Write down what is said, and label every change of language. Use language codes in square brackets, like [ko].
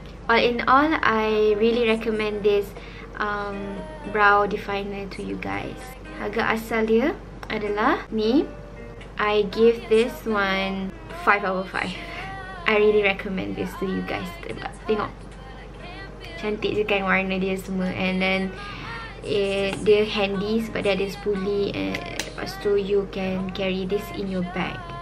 [en] All in all, I really recommend this brow definer to you guys. [ms] Harga asal dia adalah ni. [en] I give this one 5 out of 5. I really recommend this to you guys. [ms] Tengok, cantik je kan warna dia semua. [en] And then [ms] dia handy sebab dia ada spoolie. Lepas tu [en] you can carry this in your bag.